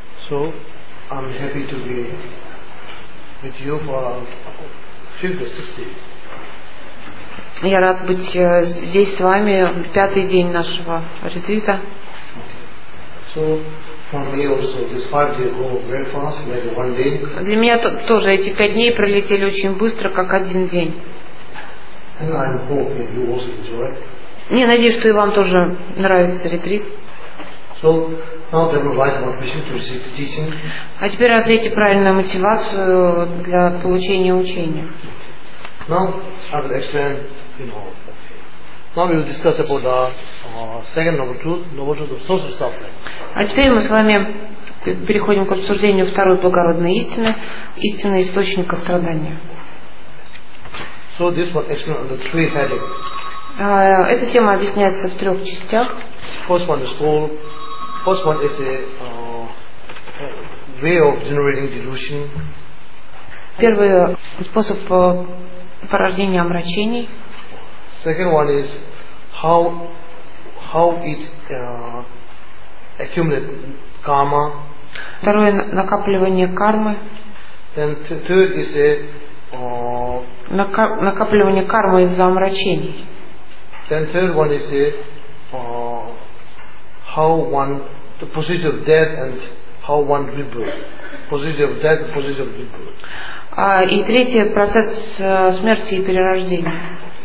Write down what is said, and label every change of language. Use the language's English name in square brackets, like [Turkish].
[English] So I'm happy to be with you for fifth or sixth day. [Russian] Я рад быть здесь с вами пятый день нашего ретрита. [English] So for me also this 5 days go very fast, like one day. [Russian] Для меня тоже эти пять дней пролетели очень быстро, как один день. [English] And I hope that you also enjoy. [Russian] Я надеюсь, что и вам тоже нравится ретрит. [English] So now they provide motivation to receive the teaching. [Russian] А теперь развейте правильную мотивацию для получения учения. [English] Now I will explain. Now we will discuss about the second noble truth, noble truth of source of suffering. [Russian] А теперь мы с вами переходим к обсуждению второй благородной истины, истины источника страдания. [English] So this was explained under three headings. [Russian] Эта тема объясняется в трех частях. [English] First one is a way of generating delusion. [Russian] Первый способ порождения омрачений. [English] Second one is how it accumulates karma. [Russian] Второе накапливание кармы. [English] Then third is a [Russian] накапливание кармы из-за омрачений. [English] Then third one is a the position of death and how one rebirth. Position of death, position of rebirth. [Russian] И третье процесс смерти и перерождения.